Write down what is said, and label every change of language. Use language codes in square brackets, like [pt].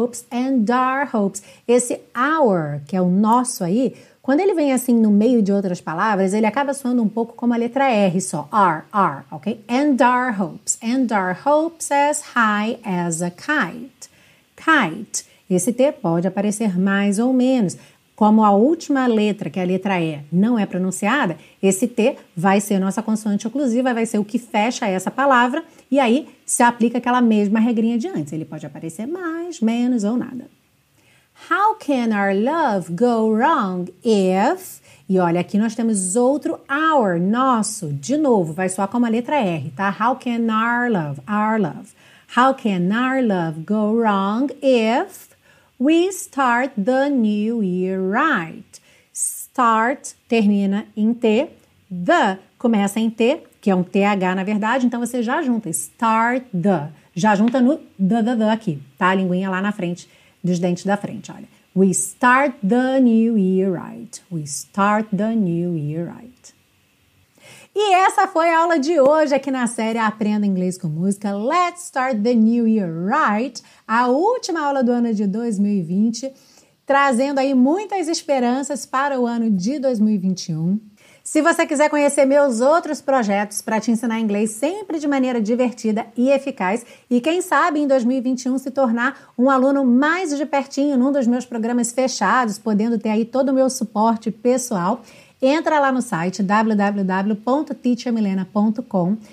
[en] And our hopes, [pt] esse our, que é o nosso aí, quando ele vem assim no meio de outras palavras, ele acaba soando um pouco como a letra R só, R, R, ok? [en] And our hopes as high as a kite. [pt] Kite, esse T pode aparecer mais ou menos. Como a última letra, que é a letra E, não é pronunciada, esse T vai ser a nossa consoante oclusiva, vai ser o que fecha essa palavra, e aí se aplica aquela mesma regrinha de antes. Ele pode aparecer mais, menos ou nada. [en] How can our love go wrong if... [pt] E olha, aqui nós temos outro our, nosso, de novo, vai soar como a letra R, tá? [en] How can our love... How can our love go wrong if... We start the new year right. [pt] Start termina em T. The começa em T, que é um TH na verdade, então você já junta. [en] Start the. [pt] Já junta no the aqui, tá? A linguinha lá na frente, dos dentes da frente, olha. [en] We start the new year right. We start the new year right. [pt] E essa foi a aula de hoje aqui na série Aprenda Inglês com Música. [en] Let's start the new year right. [pt] A última aula do ano de 2020, trazendo aí muitas esperanças para o ano de 2021. Se você quiser conhecer meus outros projetos para te ensinar inglês sempre de maneira divertida e eficaz, e quem sabe em 2021 se tornar um aluno mais de pertinho num dos meus programas fechados, podendo ter aí todo o meu suporte pessoal, entra lá no site www.teachermilena.com.